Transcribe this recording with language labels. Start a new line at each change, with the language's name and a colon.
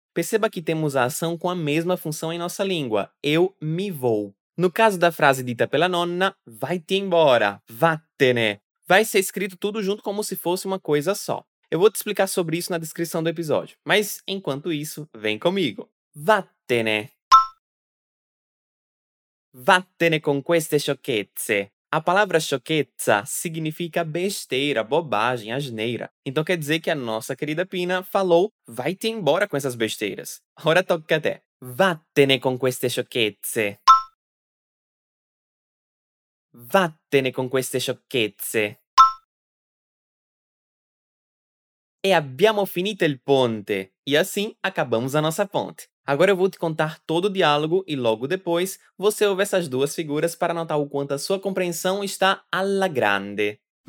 Portuguese: Perceba que temos a ação com a mesma função em nossa língua. Eu me vou. No caso da frase dita pela nonna, vai-te embora, vattene. Vai ser escrito tudo junto como se fosse uma coisa só. Eu vou te explicar sobre isso na descrição do episódio. Mas, enquanto isso, vem comigo.
Italian: Vattene. Vattene con queste sciocchezze.
Portuguese: A palavra sciocchezza significa besteira, bobagem, asneira. Então quer dizer que a nossa querida Pina falou vai-te embora com essas besteiras.
Italian: Ora tocca a te. Vattene con queste sciocchezze. Vattene con queste sciocchezze. E abbiamo finito il ponte.
Portuguese: E assim acabamos a nossa ponte. Agora eu vou te contar todo o diálogo e logo depois você ouve essas duas figuras para notar o quanto a sua compreensão está
Italian: alla grande.